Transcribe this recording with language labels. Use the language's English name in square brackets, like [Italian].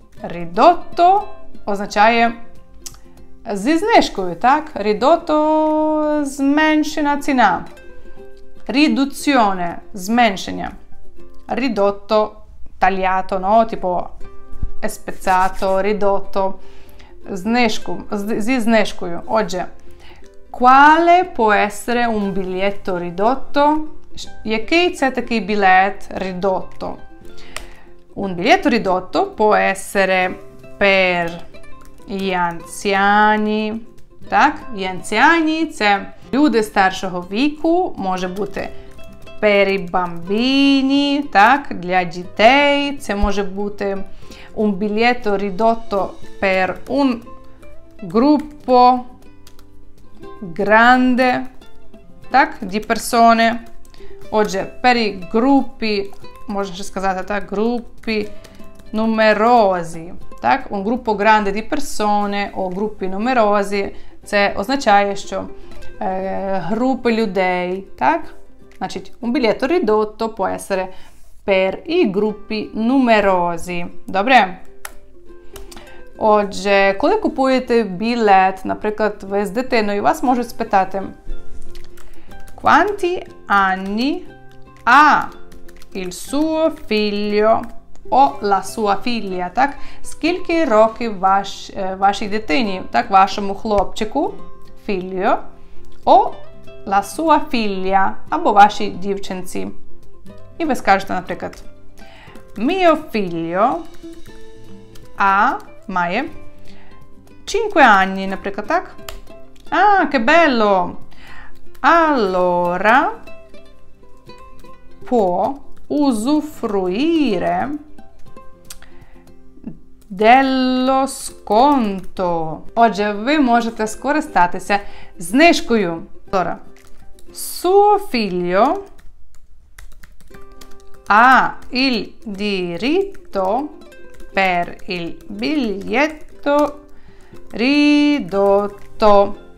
[Ukrainian] Ridotto означає зі знижкою, так? Ridotto – зменшена ціна. Riduzione – зменшення. [Italian] Ridotto – tagliato, no? [Ukrainian] Типу спеціато, ridotto. Знижку, зі знижкою. [Italian] Отже, quale può essere un biglietto ridotto? [Ukrainian] Який це такий білет ridotto? [Italian] Un biglietto ridotto può essere per gli anziani, так? Gli anziani [Ukrainian] це люди старшого віку, може бути [Italian] per i bambini, [Ukrainian] так? Для дітей це може бути [Italian] un biglietto ridotto per un gruppo grande, так? Di persone. [Ukrainian] Отже, [Italian] per i gruppi, [Ukrainian] можна ще сказати, так, [Italian] gruppi numerosi, [Ukrainian] так? [Italian] Un gruppo grande di persone o gruppi numerosi, [Ukrainian] це означає, що групи людей, так? [Italian] Значить, un biglietto ridotto può essere per i gruppi numerosi. [Ukrainian] Добре? Отже, коли купуєте білет, наприклад, ви з дитиною, вас можуть спитати, [Italian] quanti anni ha il suo figlio o la sua figlia, [Ukrainian] так? Скільки років вашій дитині, так, вашому хлопчику, figlio, [Italian] o la sua figlia, [Ukrainian] або вашій дівчинці. І ви скажете, наприклад, [Italian] mio figlio ha, [Ukrainian] має [Italian] 5 anni, [Ukrainian] наприклад, так? [Italian] А, che bello! Allora può usufruire dello sconto. [Ukrainian] Отже, ви можете скористатися знижкою. [Italian] Allora, suo figlio ha il diritto per il biglietto ridotto.